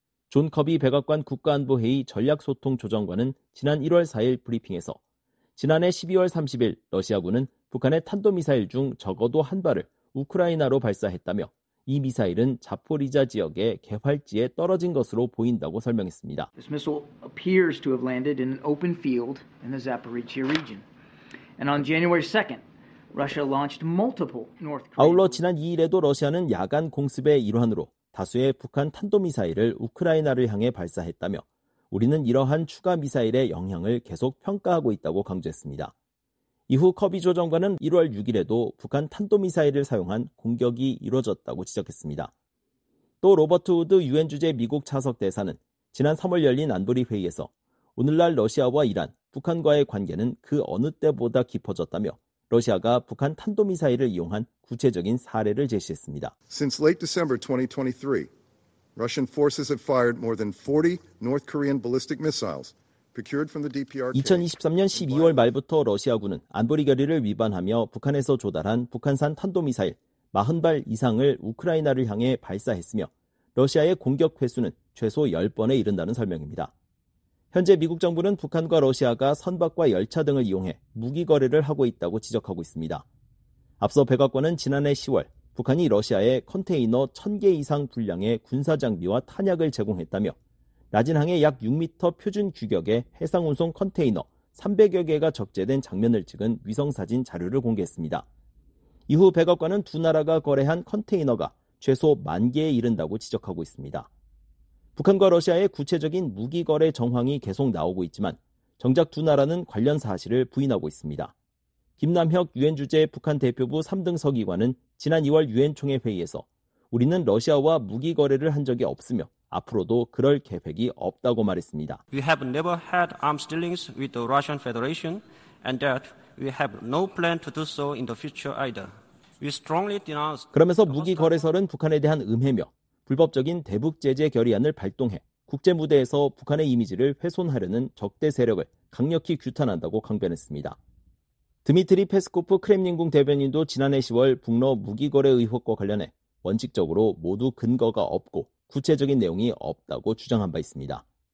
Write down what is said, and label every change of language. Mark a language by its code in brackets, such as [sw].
[ko] 존 커비 백악관 국가안보회의 전략소통조정관은 지난 1월 4일 브리핑에서 지난해 12월 30일 러시아군은 북한의 탄도미사일 중 적어도 한 발을 우크라이나로 발사했다며 이 미사일은 자포리자 지역의 개활지에 떨어진 것으로 보인다고 설명했습니다. [en] This missile appears to have landed in an open field in the Zaporizhia region. And on January 2nd, Russia launched multiple North Korean. [ko] 아울러 지난 2일에도 러시아는 야간 공습의 일환으로 다수의 북한 탄도미사일을 우크라이나를 향해 발사했다며 우리는 이러한 추가 미사일의 영향을 계속 평가하고 있다고 강조했습니다. 이후 커비 조정관은 1월 6일에도 북한 탄도미사일을 사용한 공격이 이뤄졌다고 지적했습니다. 또 로버트 우드 유엔 주재 미국 차석 대사는 지난 3월 열린 안보리 회의에서 오늘날 러시아와 이란, 북한과의 관계는 그 어느 때보다 깊어졌다며 러시아가 북한 탄도미사일을 이용한 구체적인 사례를 제시했습니다. [en] Since late December 2023, Russian forces have fired more than 40 North Korean ballistic missiles procured from the DPRK. [ko] 2023년 12월 말부터 러시아군은 안보리 결의를 위반하며 북한에서 조달한 북한산 탄도미사일 40발 이상을 우크라이나를 향해 발사했으며 러시아의 공격 횟수는 최소 10번에 이른다는 설명입니다. 현재 미국 정부는 북한과 러시아가 선박과 열차 등을 이용해 무기 거래를 하고 있다고 지적하고 있습니다. 앞서 백악관은 지난해 10월 북한이 러시아에 컨테이너 1,000개 이상 분량의 군사장비와 탄약을 제공했다며 라진항의 약 6m 표준 규격의 해상운송 컨테이너 300여 개가 적재된 장면을 찍은 위성사진 자료를 공개했습니다. 이후 백악관은 두 나라가 거래한 컨테이너가 최소 만 개에 이른다고 지적하고 있습니다. 북한과 러시아의 구체적인 무기 거래 정황이 계속 나오고 있지만 정작 두 나라는 관련 사실을 부인하고 있습니다. 김남혁 유엔주재 북한 대표부 3등 서기관은 지난 2월 유엔총회 회의에서 우리는 러시아와 무기 거래를 한 적이 없으며 앞으로도 그럴 계획이 없다고 말했습니다. [en] We have never had arms dealings with the Russian Federation and that we have no plan to do so in the future either. We strongly denounce [ko] 그러면서 무기 거래설은 북한에 대한 음해며 불법적인 대북 제재 결의안을 발동해 국제 무대에서 북한의 이미지를 훼손하려는 적대 세력을 강력히 규탄한다고 강변했습니다. 드미트리 페스코프 크렘린궁 대변인도 지난해 10월 북러 무기 거래 의혹과 관련해 원칙적으로 모두 근거가 없고 구체적인 내용이 없다고 주장한 바 있습니다.